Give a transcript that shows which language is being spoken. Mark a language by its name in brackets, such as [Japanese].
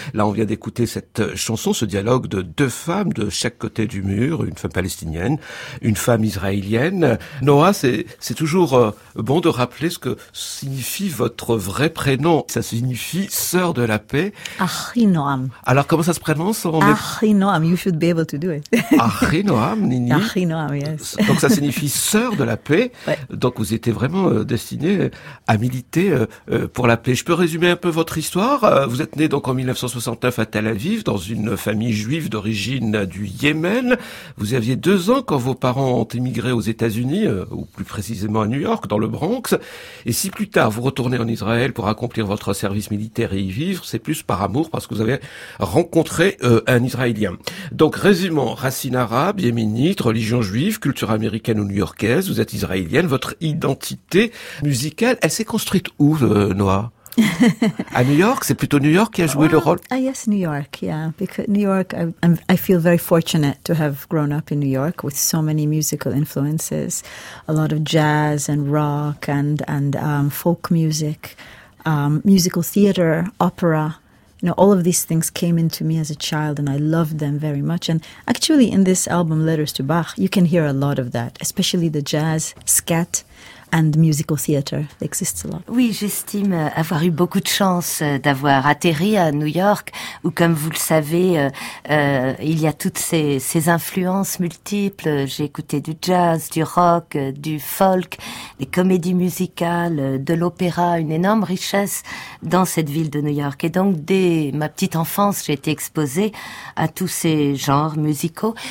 [French] Là, on vient d'écouter cette chanson, ce dialogue de deux femmes de chaque côté du mur, une femme palestinienne, une femme israélienne. Noah, c'est toujours bon de rappeler ce que signifie votre vrai prénom. Ça signifie sœur de la paix. Achinoam. Alors, comment ça se prononce? [English] Achinoam, you should be able to do it. Achinoam, Nini. Achinoam, yes. [French] Donc, ça signifie sœur de la paix. Ouais. Donc, vous étiez vraiment destinée à militer pour la paix. Je peux résumer un peu votre histoire. Vous êtes né donc en 1969 à Tel Aviv, dans une famille juive d'origine du Yémen. Vous aviez 2 ans quand vos parents ont émigré aux États-Unis, ou plus précisément à New York, dans le Bronx. Et si plus tard vous retournez en Israël pour accomplir votre service militaire et y vivre, c'est plus par amour, parce que vous avez rencontré un Israélien. Donc, résumons, racine arabe, yéménite, religion juive, culture américaine ou new-yorkaise, vous êtes israélienne, votre identité musicale, elle s'est construite où, Noah? À New York, c'est plutôt New York qui a joué le rôle. [English] Yes, New York, yeah. Because New York, I feel very fortunate to have grown up in New York with so many musical influences, a lot of jazz and rock and folk music, musical theater, opera. You know, all of these things came into me as a child and I loved them very much. And actually, in this album, Letters to Bach, you can hear a lot of that, especially the jazz, scat. And the musical theater exists a lot. [French] Oui, j'estime avoir eu beaucoup de chance d'avoir atterri à New York, où, comme vous le savez, il y a toutes ces influences multiples. J'ai écouté du jazz, du rock, du folk, des comédies musicales, de l'opéra, une énorme richesse dans cette ville de New York. Et donc, dès ma petite enfance, j'ai été exposée à tous ces genres musicaux.